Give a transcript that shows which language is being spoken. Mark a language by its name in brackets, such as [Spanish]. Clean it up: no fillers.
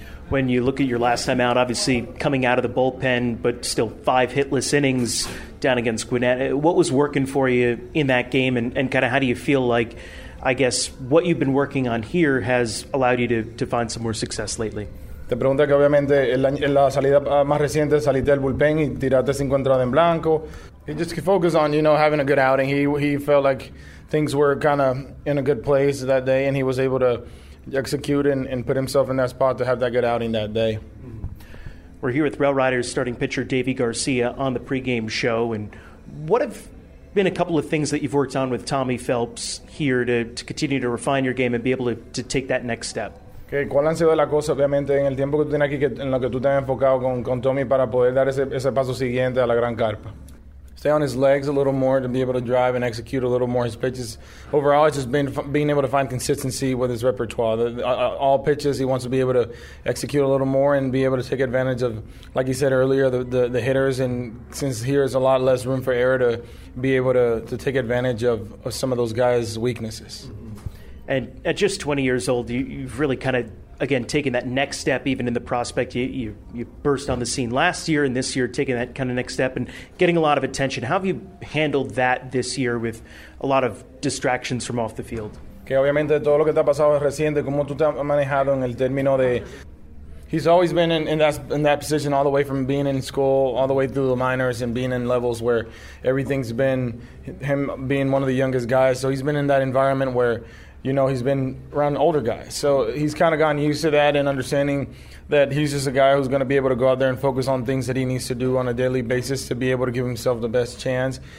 [English] When you look at your last time out, obviously coming out of the bullpen, but still five hitless innings down against Gwinnett, what was working for you in that game, and kind of how do you feel like, I guess, what you've been working on here has allowed you to find some more success lately? [Spanish] Te pregunta que obviamente en la salida más reciente saliste del bullpen y tiraste 5 entradas en blanco. [English] He just focused on, you know, having a good outing. He felt like things were kind of in a good place that day, and he was able to execute and put himself in that spot to have that good outing that day. We're here with Rail Riders starting pitcher Davey Garcia on the pregame show. And what have been a couple of things that you've worked on with Tommy Phelps here to continue to refine your game and be able to take that next step? [Spanish] Que cuál han sido las cosas, obviamente, en el tiempo que tú tienes aquí, que, en lo que tú te has enfocado con Tommy para poder dar ese paso siguiente a la gran carpa. [English] Stay on his legs a little more to be able to drive and execute a little more his pitches. Overall, it's just been being able to find consistency with his repertoire. All pitches, he wants to be able to execute a little more and be able to take advantage of, like you said earlier, the hitters. And since here is a lot less room for error, to be able to take advantage of some of those guys' weaknesses. And at just 20 years old, you've really kind of, again, taken that next step even in the prospect. You burst on the scene last year, and this year taking that kind of next step and getting a lot of attention. How have you handled that this year with a lot of distractions from off the field? [Spanish] Okay, obviamente todo lo que te ha pasado reciente, como tú te has manejado en el término de... [English] He's always been in that position all the way from being in school, all the way through the minors, and being in levels where everything's been him being one of the youngest guys. So he's been in that environment where, you know, he's been around older guys. So he's kind of gotten used to that and understanding that he's just a guy who's going to be able to go out there and focus on things that he needs to do on a daily basis to be able to give himself the best chance.